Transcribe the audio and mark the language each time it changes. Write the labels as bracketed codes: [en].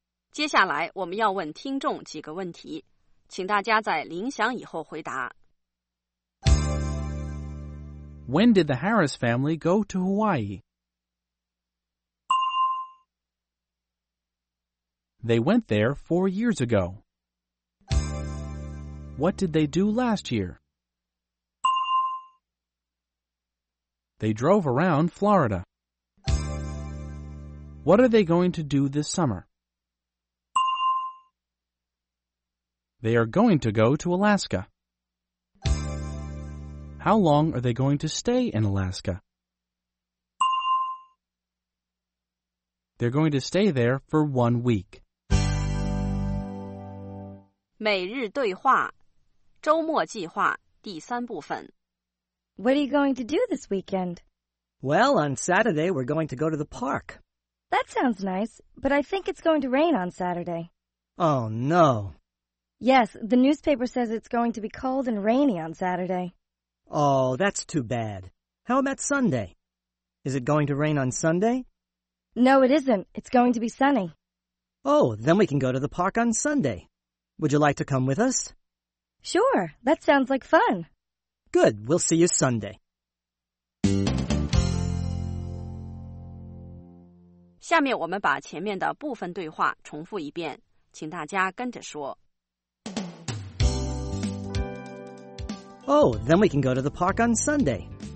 [zh] 接下来我们要问听众几个问题，请大家在铃响以后回答。 [en] When did the Harris family go to Hawaii? They went there 4 years ago. What did they do last year? They drove around Florida. What are they going to do this summer? They are going to go to Alaska. How long are they going to stay in Alaska? They're going to stay there for 1 week. [zh] 每日对话，周末计划第三部分。 [en] What are you going to do this weekend? Well, on Saturday we're going to go to the park. That sounds nice, but I think it's going to rain on Saturday. Oh, no. Yes, the newspaper says it's going to be cold and rainy on Saturday. Oh, that's too bad. How about Sunday? Is it going to rain on Sunday? No, it isn't. It's going to be sunny. Oh, then we can go to the park on Sunday. Would you like to come with us? Sure, that sounds like fun. Good, we'll see you Sunday. [zh] 下面我们把前面的部分对话重复一遍，请大家跟着说。 [en] Oh, then we can go to the park on Sunday.